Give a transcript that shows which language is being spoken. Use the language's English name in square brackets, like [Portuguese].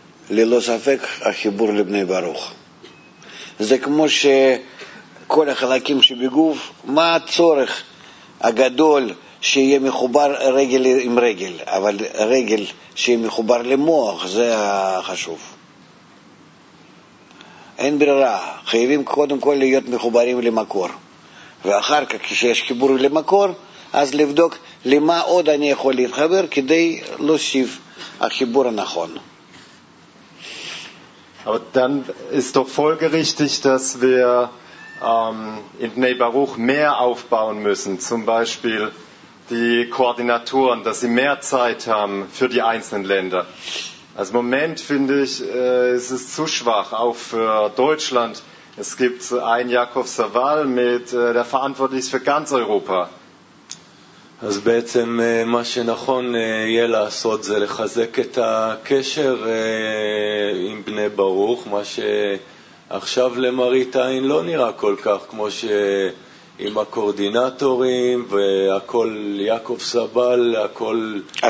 [Hebrew] ללא ספק החיבור לבני ברוך. זה כמו שכל החלקים שבגוף, מה הצורך הגדול שיהיה מחובר רגל עם רגל, אבל רגל שיהיה מחובר למוח, זה החשוב. אין ברירה, חייבים קודם כל להיות מחוברים למקור, ואחר כך כשיש חיבור למקור, אז לבדוק למה עוד אני יכול להתחבר כדי להוסיף החיבור הנכון. [German] Aber dann ist doch folgerichtig, dass wir in Bnei Baruch mehr aufbauen müssen, zum Beispiel die Koordinatoren, dass sie mehr Zeit haben für die einzelnen Länder. Als Moment finde ich, es ist zu schwach, auch für Deutschland. Es gibt einen Jakob Savall, mit, der verantwortlich ist für ganz Europa. [Hebrew] אז בעצם מה שנכון יהיה לעשות זה לחזק את הקשר עם בני ברוך, מה שעכשיו למרית עין לא נראה כל כך, כמו שעם הקורדינטורים והכל יעקב סבל, הכל...